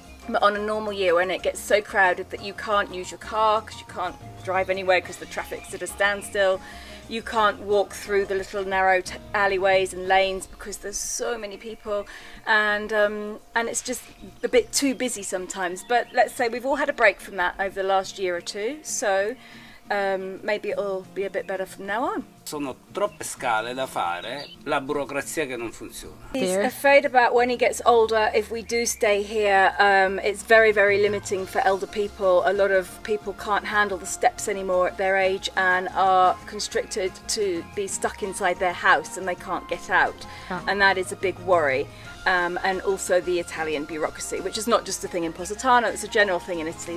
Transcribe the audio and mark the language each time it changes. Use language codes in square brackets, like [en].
[en] But on a normal year, when it gets so crowded that you can't use your car because you can't drive anywhere because the traffic's at a standstill, you can't walk through the little narrow alleyways and lanes because there's so many people, and it's just a bit too busy sometimes. But let's say we've all had a break from that over the last year or two, so maybe it'll be a bit better from now on. [it] Sono troppe scale da fare, la burocrazia che non funziona. [en] He's afraid about when he gets older, if we do stay here, it's very, very limiting for elder people. A lot of people can't handle the steps anymore at their age and are constricted to be stuck inside their house and they can't get out. Huh. And that is a big worry. And also the Italian bureaucracy, which is not just a thing in Positano, it's a general thing in Italy.